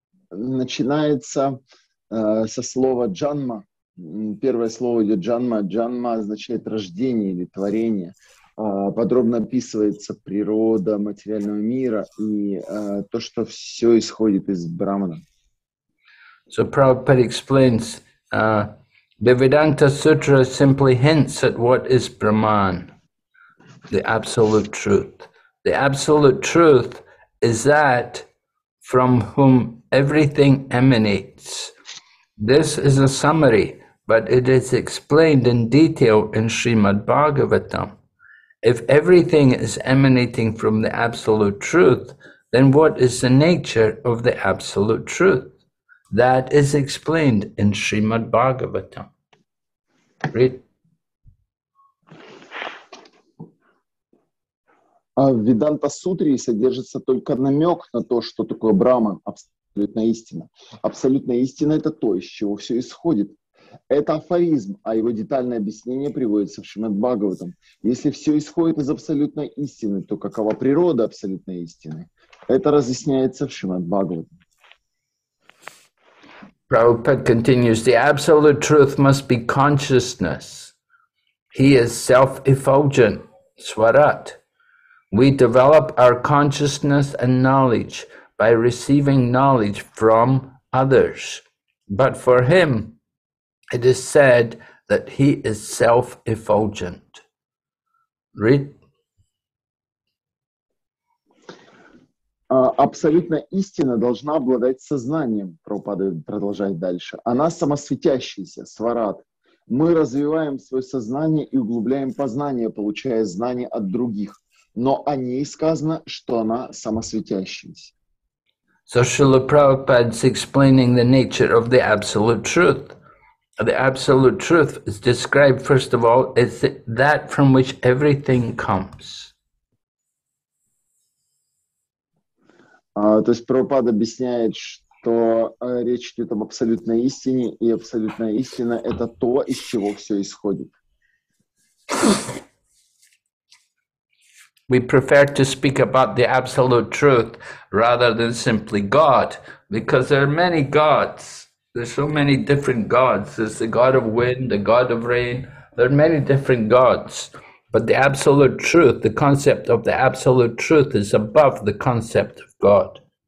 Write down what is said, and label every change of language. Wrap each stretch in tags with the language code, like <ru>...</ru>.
<ru>Начинается со слова джанма. Первое слово идет джанма. Джанма означает рождение или творение. Подробно описывается природа материального мира и то, что все исходит из Брахмана.</ru> <en>So Prabhupada explains, the Vedanta Sutra simply hints at what is Brahman, the absolute truth. The absolute truth is that from whom everything emanates. This is a summary, but it is explained in detail in Srimad Bhagavatam. If everything is emanating from the absolute truth, then what is the nature of the absolute truth? That is explained in Srimad Bhagavatam. Read.</en> <ru>В Веданта Сутре содержится только намек на то, что такое Брахман, абсолютная истина. Абсолютная истина – это то, из чего все исходит. Это афоризм, а его детальное объяснение приводится в Шримад Бхагаватам. Если все исходит из абсолютной истины, то какова природа абсолютной истины? Это разъясняется в Шримад Бхагаватам.</ru> <en>Prabhupada continues, the absolute truth must be consciousness. He is self-effulgent, Swarat. We develop our consciousness and knowledge by receiving knowledge from others. But for him, it is said that he is self-effulgent. Read.</en> <ru>Абсолютная истина должна обладать сознанием, Прабхупада продолжает дальше. Она самосветящаяся, сварат. Мы развиваем свое сознание и углубляем познание, получая знания от других. Но о ней сказано, что она самосветящаяся.</ru> <en>So Srila Prabhupada is explaining the nature of the absolute truth. The absolute truth is described, first of all, as that from which everything comes.</en> <ru>То есть Прабхупада объясняет, что речь идет об абсолютной истине, и абсолютная истина – это то, из чего все исходит.</ru> <en>We prefer to speak about the absolute truth rather than simply God, because there are many gods. There's so many different gods. There's the god of wind, the god of rain. There are many different gods. But the absolute truth, the concept of the absolute truth is above the concept of God.</en>